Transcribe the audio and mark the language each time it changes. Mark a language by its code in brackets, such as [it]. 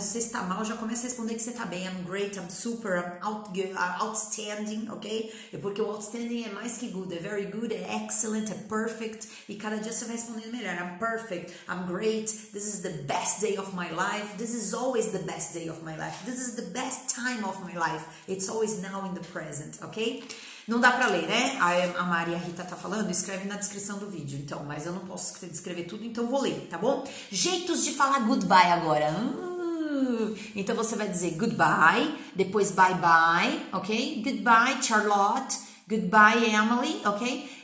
[pt] Se você está mal, já comece a responder que você está bem. [en] I'm great, I'm super, I'm outstanding, ok? [pt] É porque o outstanding é mais que good. É [en] very good, [pt] é excellent, é perfect. E cada dia você vai respondendo melhor. [en] I'm perfect, I'm great. This is the best day of my life. This is always the best day of my life. This is the best time of my life. It's always now in the present, ok? [pt] Não dá pra ler, né? A Maria Rita tá falando, escreve na descrição do vídeo, então. Mas eu não posso descrever tudo, então vou ler, tá bom? Jeitos de falar goodbye agora. Então você vai dizer goodbye, depois bye-bye, ok? [en] Goodbye, Charlotte. Goodbye, Emily, ok?